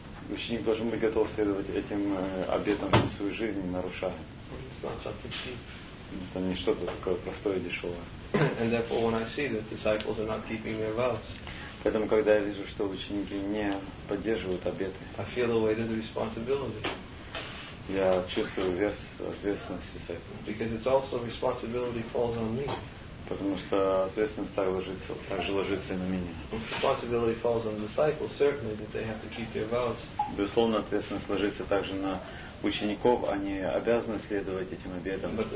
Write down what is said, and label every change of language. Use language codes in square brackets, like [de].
[ru] Ученик должен быть готов следовать этим обетам всю свою жизнь, нарушая. Это не что-то такое простое и дешевое. [en] And therefore, when I see that disciples are not keeping their vows, [ru] поэтому когда я вижу, что ученики не поддерживают обеты, [en] I feel the weight of the responsibility. [ru] Я чувствую вес ответственности за это. [en] Because it's also responsibility falls on me. [ru] Потому что ответственность также ложится и на меня. [en] Responsibility falls on the disciples, certainly, that they have to keep their vows. [ru] Безусловно, ответственность ложится также на учеников, они обязаны следовать этим обетам.